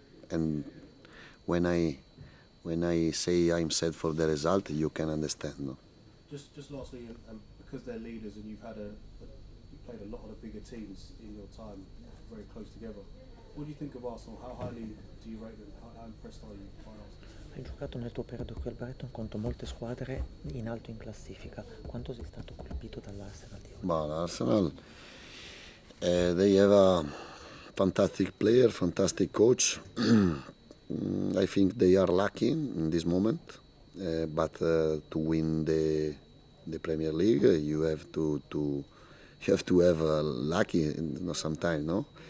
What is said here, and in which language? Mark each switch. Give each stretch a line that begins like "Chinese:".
English: And when I say I'm sad for the result, you can understand. No? Just lastly, and because they're leaders, and you've had you played a lot of the bigger teams in your time, very close together. What do you think of Arsenal? How highly do you rate them? How impressed are you by Arsenal?
Italian: Hai giocato nel tuo periodo qui al Brighton contro molte squadre in alto in classifica. Quanto sei stato colpito dall'Arsenal di oggi? Ma l'Arsenal,
English: they have a fantastic player, fantastic coach. I think they are lucky in this moment, but to win the Premier League, you have to have lucky, you know, sometimes, no?